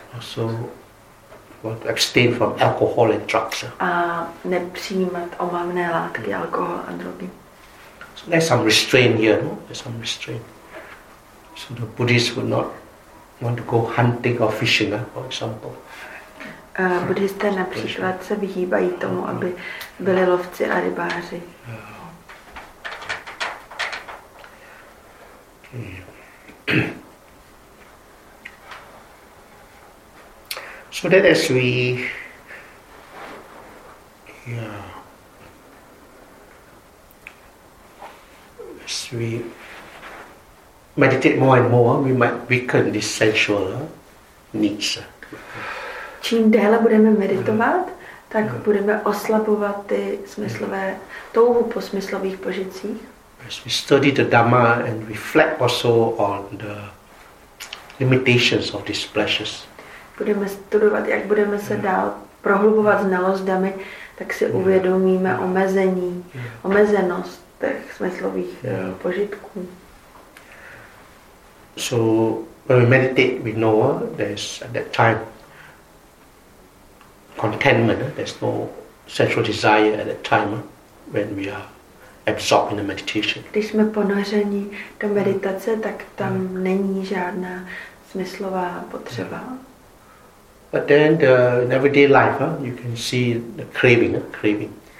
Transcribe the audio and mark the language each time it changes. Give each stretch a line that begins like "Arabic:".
English: Also, want to abstain from alcohol and drugs.
Czech: A nepřijímat omamné látky, alkohol a drogy.
English: So there's some restraint here, no? There's some restraint. So the Buddhists would not want to go hunting or fishing, for example.
Czech: Buddhisté například se vyhýbají tomu, aby byli lovci a rybáři.
English: So that as we as we meditate more and more, we might weaken this sensual needs.
Czech: Čím déle budeme meditovat, tak budeme oslabovat ty smyslové touhu po smyslových požitcích.
English: As we study the Dhamma and reflect also on the limitations of these pleasures.
Czech: Budeme studovat, jak budeme se dál prohlubovat znalostami, tak si uvědomíme omezení, omezenost těch smyslových požitků.
English: So when we meditate with Noah, there's at that time contentment. There's no sensual desire at that time when we are absorbed in the meditation.
Czech: Když jsme ponořeni do meditace, tak tam není žádná smyslová potřeba.
English: But then in everyday life, you can see the craving, craving.